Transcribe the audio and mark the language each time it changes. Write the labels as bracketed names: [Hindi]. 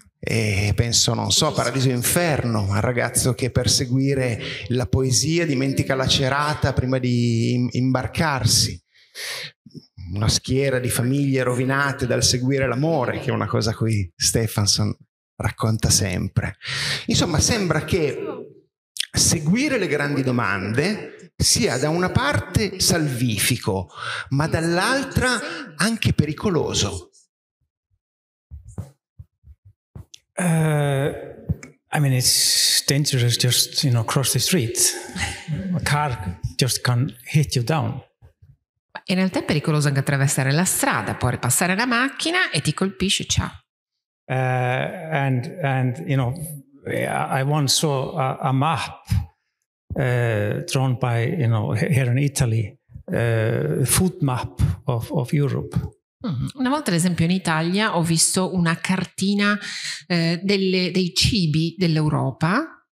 [Italian] E penso, non so, Paradiso e Inferno, al ragazzo che per seguire la poesia dimentica la cerata prima di imbarcarsi, una schiera di famiglie rovinate dal seguire l'amore, che è una cosa cui Stefansson racconta sempre. Insomma, sembra che seguire le grandi domande sia da una parte salvifico, ma dall'altra anche pericoloso. [English] I mean, it's dangerous just, you know, cross the street. A car just can hit you down. [Italian] In realtà è pericoloso anche attraversare la strada, può passare la macchina e ti colpisce, ciao. [English] And you know, I once saw a map drawn by, you know, here in Italy, food map of Europe. [Italian] Una volta, ad esempio, in Italia ho visto una cartina dei cibi dell'Europa.